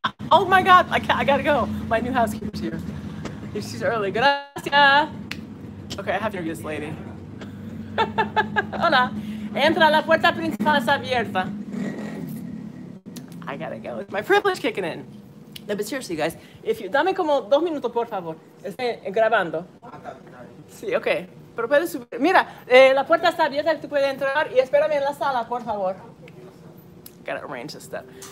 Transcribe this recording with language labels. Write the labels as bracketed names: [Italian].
[English] Oh my God, I gotta go. My new housekeeper's here. She's early. Gracias. Okay, I have to interview this lady. [Spanish] Hola. Entra la puerta principal está abierta. [English] I gotta go. It's my privilege kicking in. No, but seriously, guys, if you. [Spanish] Dame como 2 minutos, por favor. Estoy grabando. Sí, okay. Pero puedes subir. Mira, la puerta está abierta, tú puedes entrar y espérame en la sala, por favor. [English] Gotta arrange this stuff.